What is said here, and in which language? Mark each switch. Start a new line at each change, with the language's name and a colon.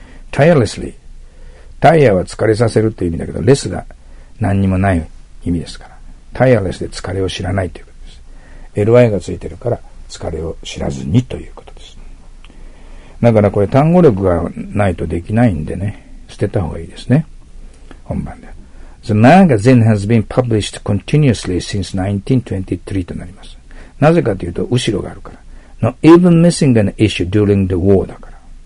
Japanese: tirelessly、 tire は疲れさせるという意味だけど、less が何にもない意味ですから、tireless で疲れを知らないということです。 ly がついてるから、疲れを知らずにということです。だからこれ単語力がないとできないんでね、捨てた方がいいですね。本番で。
English: The magazine has been published continuously since 1923
Japanese: となります。なぜかというと、後ろがあるから。
English: Not even missing an issue during the war
Japanese: だから。